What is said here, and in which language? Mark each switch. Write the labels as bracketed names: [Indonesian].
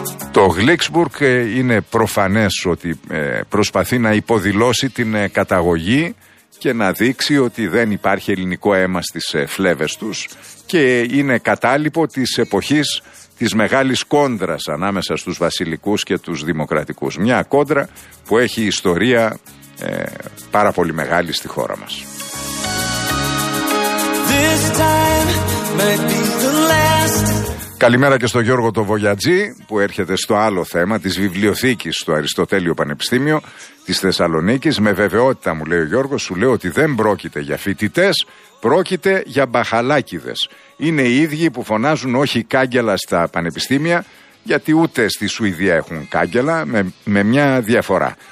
[Greek] Το Γλίξμπουργκ είναι προφανές ότι προσπαθεί να υποδηλώσει την καταγωγή και να δείξει ότι δεν υπάρχει ελληνικό αίμα στις φλέβες τους και είναι κατάλοιπο της εποχής της μεγάλης κόντρας ανάμεσα στους βασιλικούς και τους δημοκρατικούς. Μια κόντρα που έχει ιστορία πάρα πολύ μεγάλη στη χώρα μας. [English] This time might be the last. [Greek] Καλημέρα και στον Γιώργο το Βογιατζή που έρχεται στο άλλο θέμα της βιβλιοθήκης στο Αριστοτέλειο Πανεπιστήμιο της Θεσσαλονίκης. Με βεβαιότητα, μου λέει ο Γιώργος, σου λέω ότι δεν πρόκειται για φοιτητές, πρόκειται για μπαχαλάκηδες. Είναι οι ίδιοι που φωνάζουν όχι κάγκελα στα πανεπιστήμια, γιατί ούτε στη Σουηδία έχουν κάγκελα, με μια διαφορά.